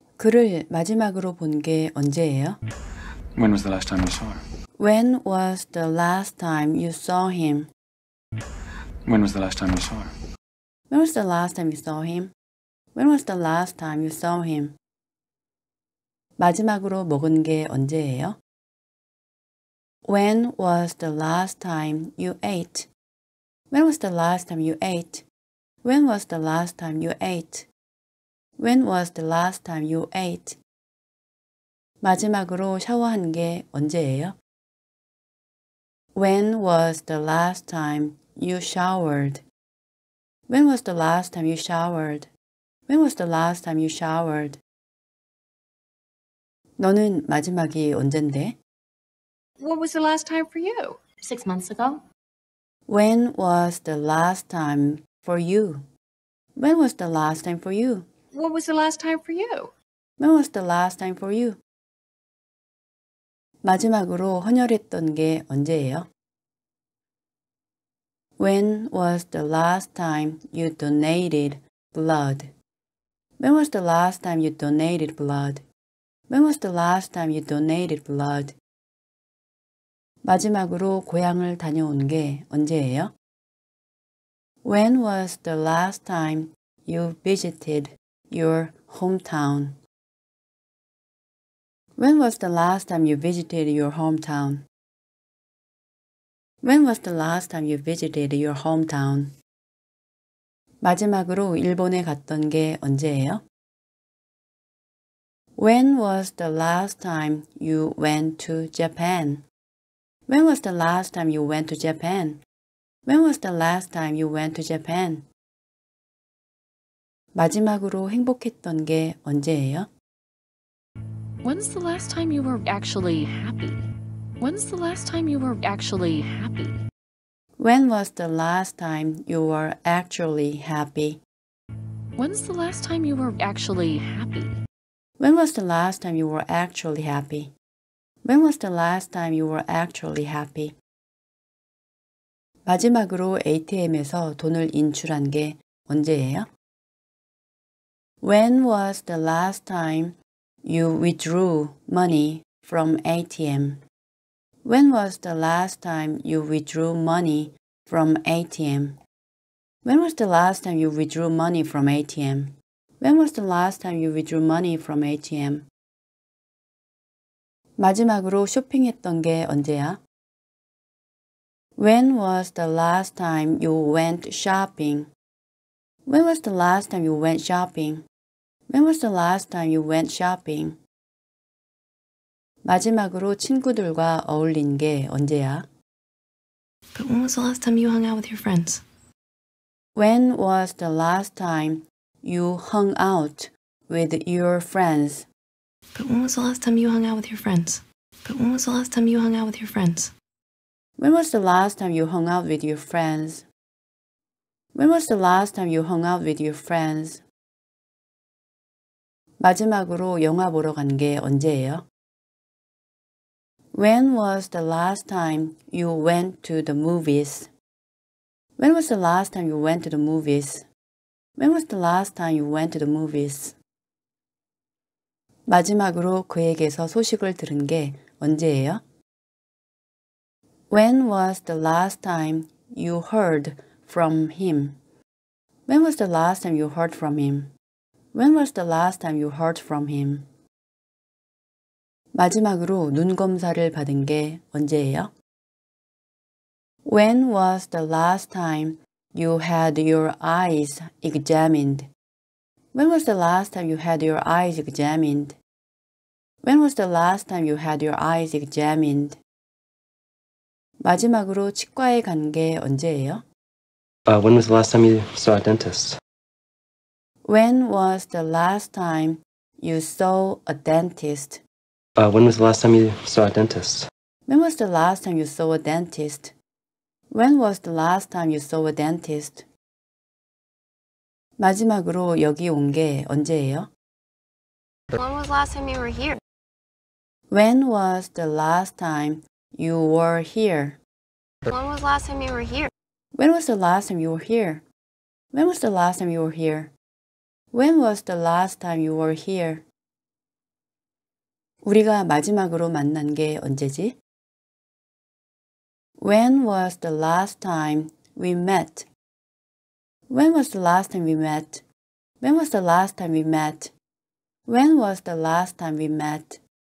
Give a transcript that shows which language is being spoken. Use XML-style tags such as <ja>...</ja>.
<ko>그를 마지막으로 본 게 언제예요?</ko> <en>When was the last time you saw her? When was the last time you saw him? When was the last time you saw her? When was the last time you saw him? When was the last time you saw him?</en> <ko>마지막으로 먹은 게 언제예요?</ko> <en>When was the last time you ate? When was the last time you ate? When was the last time you ate? When was the last time you ate?</en> <ko>마지막으로 샤워한 게 언제예요?</ko> <en>When was the last time you showered? When was the last time you showered? When was the last time you showered?</en> <ko>너는 마지막이 언젠데?</ko> <en>What was the last time for you? 6 months ago. When was the last time for you? When was the last time for you? What was the last time for you? When was the last time for you?</en> <ko>마지막으로 헌혈했던 게 언제예요?</ko> <en>When was the last time you donated blood? When was the last time you donated blood? When was the last time you donated blood?</en> <ko>마지막으로 고향을 다녀온 게 언제예요?</ko> <en>When was the last time you visited your hometown? When was the last time you visited your hometown? When was the last time you visited your hometown?</en> <ko>마지막으로 일본에 갔던 게 언제예요?</ko> <en>When was the last time you went to Japan? When was the last time you went to Japan? When was the last time you went to Japan?</en> <ko>마지막으로 행복했던 게 언제예요?</ko> <en>When's the last time you were actually happy? When's the last time you were actually happy? When was the last time you were actually happy? When's the last time you were actually happy? When was the last time you were actually happy? When was the last time you were actually happy?</en> <ko>마지막으로 ATM에서 돈을 인출한 게 언제예요?</ko> <en>When was the last time you withdrew money from ATM? When was the last time you withdrew money from ATM? When was the last time you withdrew money from ATM? When was the last time you withdrew money from ATM?</en> <ko>마지막으로 쇼핑했던 게 언제야?</ko> <en>When was the last time you went shopping? When was the last time you went shopping? When was the last time you went shopping?</en> <ko>마지막으로 친구들과 어울린 게 언제야?</ko> <en>But when was the last time you hung out with your friends? When was the last time you hung out with your friends? But when was the last time you hung out with your friends? But when was the last time you hung out with your friends? When was the last time you hung out with your friends? When was the last time you hung out with your friends?</en> <ko>마지막으로 영화 보러 간 게 언제예요?</ko> <en>When was the last time you went to the movies? When was the last time you went to the movies? When was the last time you went to the movies?</en> <ko>마지막으로 그에게서 소식을 들은 게 언제예요?</ko> <en>When was the last time you heard from him? When was the last time you heard from him? When was the last time you heard from him?</en> <ko>마지막으로 눈 검사를 받은 게 언제예요?</ko> <en>When was the last time you had your eyes examined? When was the last time you had your eyes examined? When was the last time you had your eyes examined?</en> <ko>마지막으로 치과에 간 게 언제예요?</ko> <en>When was the last time you saw a dentist? When was the last time you saw a dentist? When was the last time you saw a dentist? When was the last time you saw a dentist? When was the last time you saw a dentist?</en> <ko>마지막으로 여기 온 게 언제예요?</ko> <en>When was the last time you were here? When was the last time you were here? When was the last time you were here? When was the last time you were here? When was the last time you were here? When was the last time you were here?</en> <ko>우리가 마지막으로 만난 게 언제지?</ko> <en>When was the last time we met? When was the last time we met? When was the last time we met? When was the last time we met?</en>